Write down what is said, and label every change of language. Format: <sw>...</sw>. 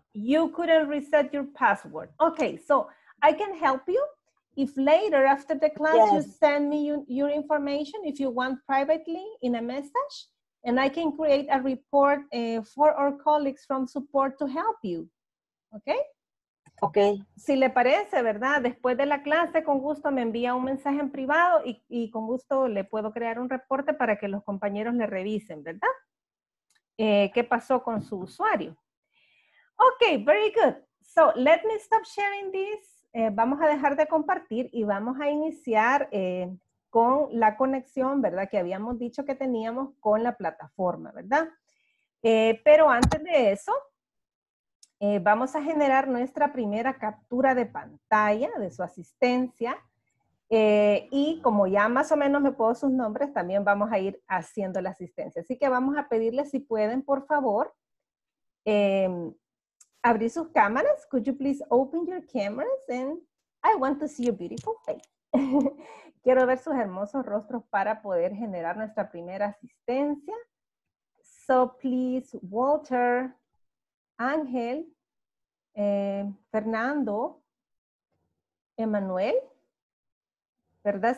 <en>You couldn't reset your password. Okay, so I can help you. If later, after the class, yes. You send me your information, if you want privately, in a message, and I can create a report for our colleagues from support to help you. Okay? Okay.</en> <es>Si le parece, ¿verdad? Después de la clase, con gusto me envía un mensaje en privado y con gusto le puedo crear un reporte para que los compañeros le revisen, ¿verdad? ¿Qué pasó con su usuario?</es> <en>Okay, very good. So, let me stop sharing this.</en> <es>vamos a dejar de compartir y vamos a iniciar con la conexión, ¿verdad? Que habíamos dicho que teníamos con la plataforma, ¿verdad? Pero antes de eso, vamos a generar nuestra primera captura de pantalla de su asistencia. Y como ya más o menos me puedo sus nombres, también vamos a ir haciendo la asistencia. Así que vamos a pedirles si pueden, por favor, abrir sus cámaras.</es> <en>Could you please open your cameras? And I want to see your beautiful face.</en> <es>Quiero ver sus hermosos rostros para poder generar nuestra primera asistencia. So please, Walter, Ángel, Fernando, Emanuel, ¿verdad?</es>